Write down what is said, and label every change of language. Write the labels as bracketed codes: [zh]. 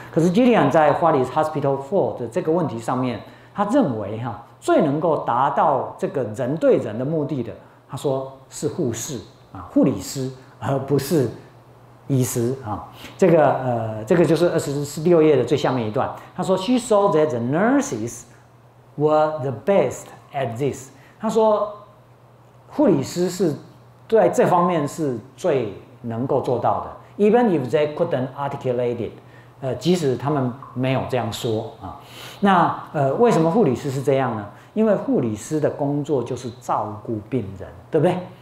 [zh] 可是 Gillian 在 [en] What is Hospital for [zh] 的这个问题上面，他认为哈，最能够达到这个人对人的目的的，他说是护士，啊，护理师而不是医师啊。这个这个就是26页的最下面一段。他说 [en] ，She saw that the nurses were the best at this。 [zh] 他说，护理师是在这方面是最能够做到的。 [en] Even if they couldn't articulate it， [zh] 即使他们没有这样说啊。那为什么护理师是这样呢？因为护理师的工作就是照顾病人，对不对？